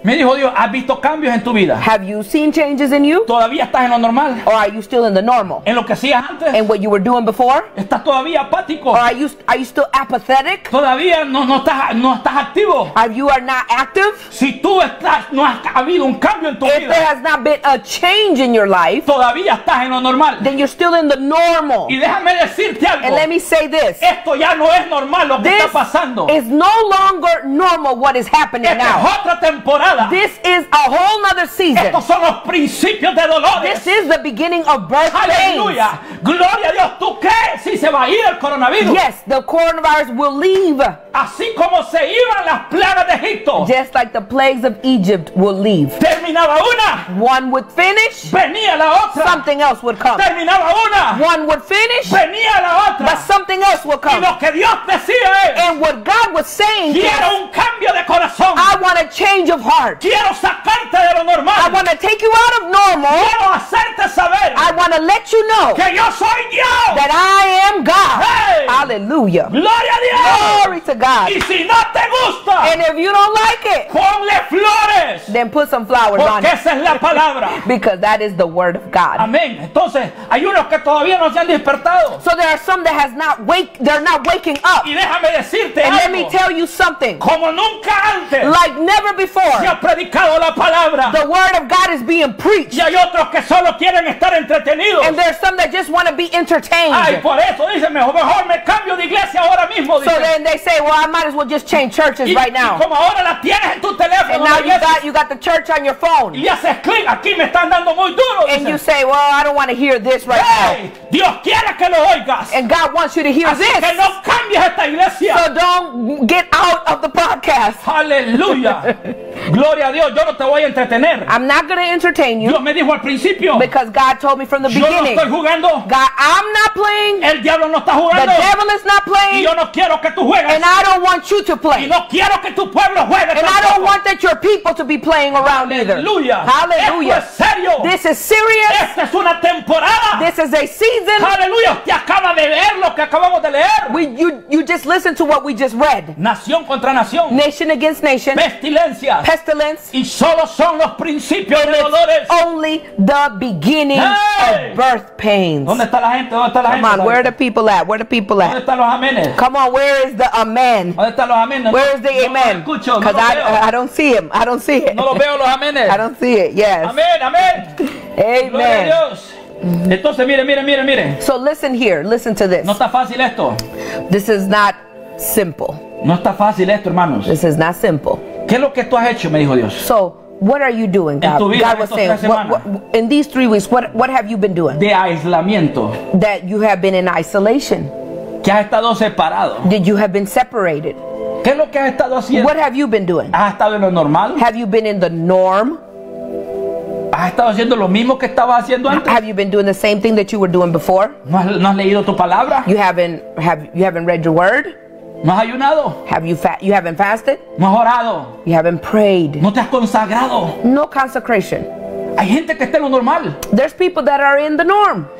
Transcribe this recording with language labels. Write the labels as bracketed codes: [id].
[es] Me dijo Dios, ¿has visto cambios en tu vida? [en] Have you seen changes in you? [es] ¿Todavía estás en lo normal? [en] Or are you still in the normal? [es] ¿En lo que hacías antes? [en] And what you were doing before? [es] ¿Estás todavía apático? [en] Or are you still apathetic? [es] ¿Todavía no estás activo? [en] Are you are not active? [es] Si tú estás, no has habido un cambio en tu [en] if there has not been a change in your life, [es] todavía estás en lo normal. [en] Then you're still in the normal. [es] Y déjame decirte algo. [en] And let me say this. [es] Esto ya no es normal lo [en] this [es] que está pasando. [en] Is no longer normal what is happening [es] esta [en] now. [es] Es otra temporada. [en] This is a whole other season. [es] Estos son los principios de dolores. [en] This is the beginning of birth Hallelujah. Pains. [es] Gloria a Dios. ¿Tú crees si se va a ir el coronavirus? [en] Yes, the coronavirus will leave. [es] Así como se iban las plagas de Egipto. [en] Just like the plagues of Egypt will leave. [es] Terminaba una. [en] One would finish. [es] Venía la otra. [en] Something else would come. [es] Terminaba una. [en] One would finish. [es] Venía la otra. [en] But something else would come. [es] Y lo que Dios decía es. [en] And what God was saying. [es] Quiero un cambio de corazón. [en] I want a change of heart. [es] Quiero sacarte de lo normal. [en] I want to take you out of normal. [es] Quiero hacerte saber. [en] I want to let you know. [es] Que yo soy Dios. [en] That I am God. Hey. Hallelujah. [es] Gloria a Dios. [en] Glory to God. [es] Y si no te gusta, [en] and if you don't like it, [es] ponle flores, [en] then put some flowers [es] porque [en] on [es] esa [en] it. [es] Es la palabra. [en] Because that is the word of God. Amen. [es] Entonces, hay unos que todavía no se han despertado. [en] So there are some that has not wake. They're not waking up. [es] Y déjame decirte [en] and [es] algo. [en] Let me tell you something. [es] Como nunca antes, [en] like never before, [es] se ha predicado la palabra. [en] The word of God is being preached. [es] Y hay otros que solo quieren estar entretenidos. [en] And there are some that just want to be entertained. [es] Ay, por eso dicen, mejor me cambio de iglesia ahora mismo. [en] So then they say, well, I might as well just change churches right now. [es] Como ahora la tienes en tu teléfono, [en] and now you got the church on your phone. [es] Y haces click. Aquí me están dando muy duro, [en] and you say, well, I don't want to hear this right hey, now. [es] Dios quiere que lo oigas. [en] And God wants you to hear [es] así [en] this. [es] Que no cambies esta iglesia. [en] So don't get out of the podcast. [es] Hallelujah. Gloria a Dios. Yo no te voy a entretener. [en] I'm not going to entertain you. [es] Dios me dijo al principio. [en] Because God told me from the [es] yo [en] beginning. [es] No estoy jugando. [en] God, I'm not playing. [es] El diablo no está jugando. [en] The devil is not playing. [es] Y yo no quiero que tú juegues. [en] And I don't want you to play. [es] Y no quiero que tu pueblo juegue [en] and [es] tampoco. [en] I don't want that your people to be playing around Hallelujah. Either. Hallelujah. [es] Esto es serio. [en] This is serious. [es] Esta es una temporada. [en] This is a season. Hallelujah. [es] Usted acaba de leer lo que acabamos de leer. [en] You just listen to what we just read. [es] Nación contra nación. [en] Nation against nation. [es] Pestilencias. [en] Pestilence. [es] Y solo son los principios [en] and [es] de dolores. [en] Only the beginning hey! Of birth pains. [es] ¿Dónde está la gente? ¿Dónde está la [en] come [es] gente? [en] Come on, where are the people at? Where are the people at? [es] ¿Dónde están los amenes? [en] Come on, where is the amen? [es] ¿Dónde están los amenes? [en] Where is the [es] no, [en] amen? Because no I don't see him. I don't see it. [es] No lo veo los amenes. [en] I don't see it. Yes. Amen, amen. Amen. [es] Entonces mire, mire, mire, mire. [en] So listen here. Listen to this. [es] No está fácil esto. [en] This is not simple. [es] No está fácil esto, hermanos. [en] This is not simple. [es] ¿Qué es lo que tú has hecho? Me dijo Dios. [en] So what are you doing, God? [es] En tu vida, [en] God was saying, in these 3 weeks, what have you been doing? [es] De aislamiento. [en] That you have been in isolation. [es] ¿Qué has estado separado? [en] Did you have been separated? [es] ¿Qué es lo que has estado haciendo? [en] What have you been doing? [es] ¿Has estado en lo normal? [en] Have you been in the norm? [es] ¿Has estado haciendo lo mismo que estabas haciendo antes? [en] Have you been doing the same thing that you were doing before? [es] ¿No has leído tu palabra? [en] You haven't read your word? [es] ¿No has ayunado? [en] You haven't fasted? [es] ¿No has orado? [en] You haven't prayed? [es] ¿No te has consagrado? [en] No consecration. [es] Hay gente que está en lo normal. [en] There's people that are in the norm.